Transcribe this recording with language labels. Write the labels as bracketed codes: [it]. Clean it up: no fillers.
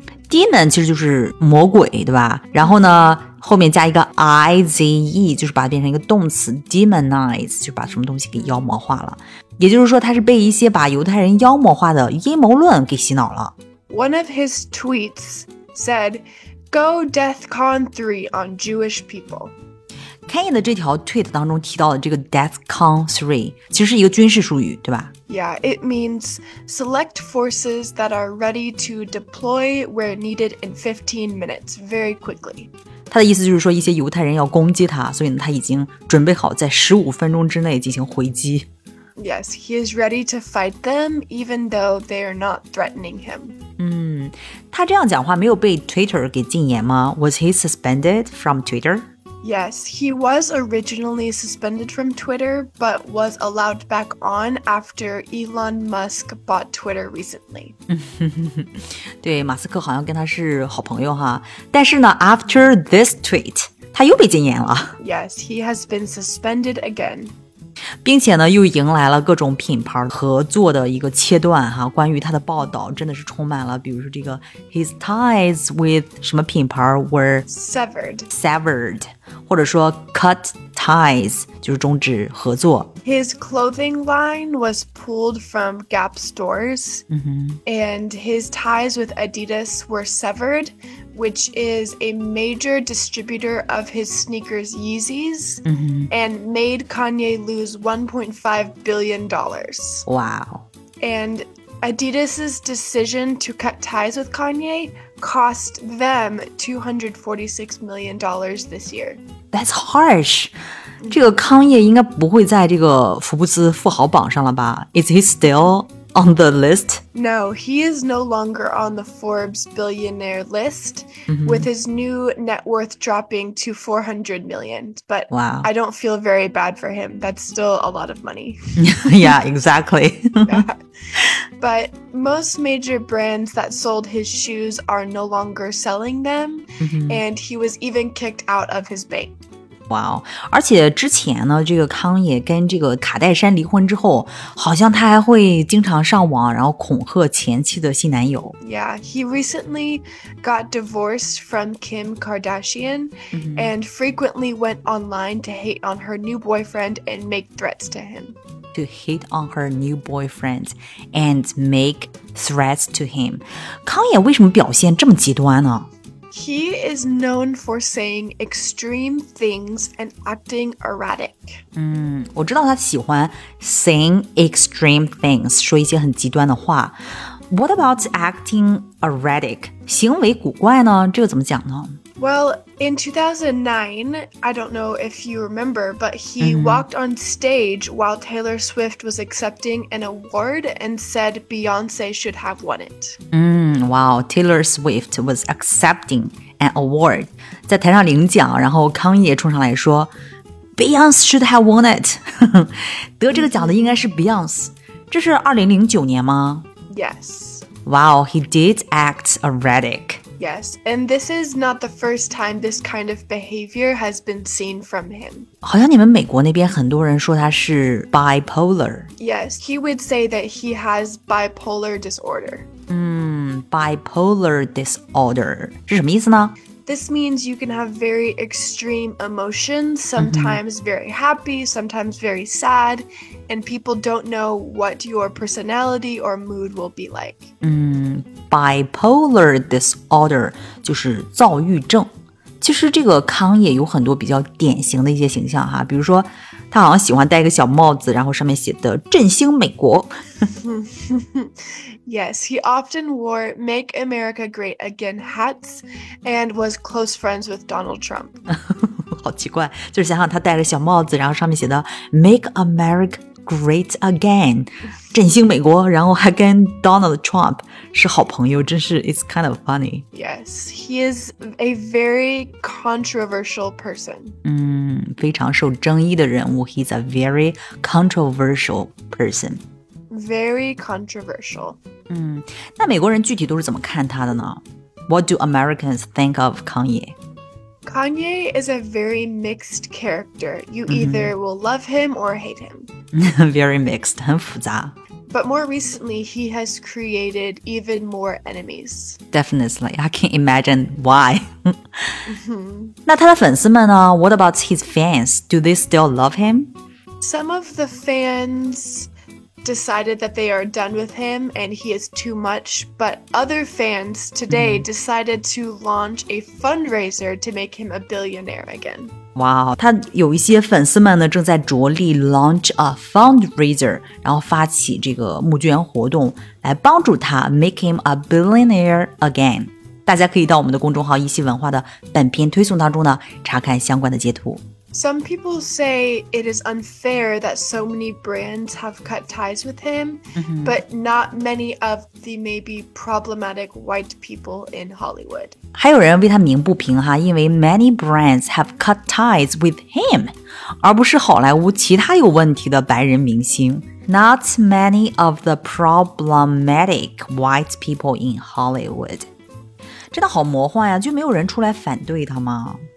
[zh] Demon 其实就是魔鬼对吧，然后呢后面加一个 ize, 就是把它变成一个动词 demonize, 就把什么东西给妖魔化了。也就是说他是被一些把犹太人妖魔化的阴谋论给洗脑了。 [en] One of his tweets said, go DEFCON 3 on Jewish people. [zh] Kanye 的这条 tweet 当中提到的这个 DEFCON 3, 其实是一个军事术语对吧？ [en] Yeah, it means select forces that are ready to deploy where needed in 15 minutes, very quickly. [zh] 他的意思就是说一些犹太人要攻击他，所以呢他已经准备好在15分钟之内进行回击。 [en] Yes, he is ready to fight them even though they are not threatening him. [zh] 他这样讲话没有被 Twitter 给禁言吗？ [en] Was he suspended from Twitter? Yes, he was originally suspended from Twitter, but was allowed back on after Elon Musk bought Twitter recently. [zh] 对，马斯克好像跟他是好朋友哈。但是呢 [en] after this tweet, [zh] 他又被禁言了。 [en] Yes, he has been suspended again. [zh] 并且呢又迎来了各种品牌合作的一个切断哈，关于他的报道真的是充满了，比如说这个 [en] his ties with [zh] 什么品牌 were [en] severed. [zh] 或者说 cut ties, 就是终止合作。 [en] His clothing line was pulled from Gap stores, and his ties with Adidas were severed, which is a major distributor of his sneakers Yeezys, and made Kanye lose $1.5 billion. Wow. And Adidas's decision to cut ties with Kanye cost them $246 million this year. That's harsh. [zh] 这个康业应该不会在这个福布斯富豪榜上了吧？ [en] Is he still on the list? No, he is no longer on the Forbes billionaire list, with his new net worth dropping to $400 million. But wow. I don't feel very bad for him. That's still a lot of money. Yeah, exactly. But most major brands that sold his shoes are no longer selling them, and he was even kicked out of his bank. [zh] Wow, 而且之前呢这个康也跟这个卡戴珊离婚之后好像他还会经常上网然后恐吓前妻的新男友。 [en] Yeah, he recently got divorced from Kim Kardashian, and frequently went online to hate on her new boyfriend and make threats to him. To hate on her new boyfriend and make threats to him. [zh] 康也为什么表现这么极端呢？ [en] He is known for saying extreme things and acting erratic. [zh] 我知道他喜欢 [en] saying extreme things, [zh] 说一些很极端的话。 [en] What about acting erratic? [zh] 行为古怪呢？这个怎么讲呢？ [en] Well, in 2009, I don't know if you remember, but he walked on stage while Taylor Swift was accepting an award and said Beyonce should have won it. Wow, Taylor Swift was accepting an award. [zh] 在台上领奖，然后康也冲上来说 [en] Beyonce should have won it. [zh] 得这个奖的应该是 Beyonce. 这是2009年吗？ [en] Yes. Wow, he did act erratic. Yes, and this is not the first time this kind of behavior has been seen from him. [zh] 好像你们美国那边很多人说他是 bipolar. [en] Yes, he would say that he has bipolar disorder. [zh] Bipolar disorder 是什么意思呢？ [en] This means you can have very extreme emotions, sometimes very happy, sometimes very sad, and people don't know what your personality or mood will be like. [zh] Bipolar disorder 就是躁郁症。其实这个康也有很多比较典型的一些形象哈，比如说他好像喜欢戴一个小帽子，然后上面写的振兴美国。 [en] Yes, he often wore Make America Great Again hats and was close friends with Donald Trump. [zh] 好奇怪，就是想想他戴个小帽子，然后上面写的 Make America Great Again, 振兴美国，然后还跟 Donald Trump 是好朋友，真是 [en] it's kind of funny. Yes, he is a very controversial person. [zh] 非常受争议的人物 [en] he's a very controversial person. Very controversial. [zh] 那美国人具体都是怎么看他的呢？ [en] What do Americans think of Kanye? Kanye is a very mixed character. You either will love him or hate him. Very mixed, [zh] 很复杂。 [en] But more recently, he has created even more enemies. Definitely, I can't imagine why. [zh] 那他的粉丝们呢? [en] What about his fans? Do they still love him? Some of the fans decided that they are done with him and he is too much, but other fans today decided to launch a fundraiser to make him a billionaire again. [zh] Wow, 他有一些粉丝们呢正在着力 [en] launch a fundraiser, [zh] 然后发起这个募捐活动来帮助他 [en] make him a billionaire again. [zh] 大家可以到我们的公众号一席文化的本篇推送当中呢查看相关的截图。 [en] Some people say it is unfair that so many brands have cut ties with him, but not many of the maybe problematic white people in Hollywood. [zh] 还有人为他鸣不平哈，因为 [en] many brands have cut ties with him, [zh] 而不是好莱坞其他有问题的白人明星。 [en] Not many of the problematic white people in Hollywood. [zh] 真的好魔幻呀，就没有人出来反对他吗？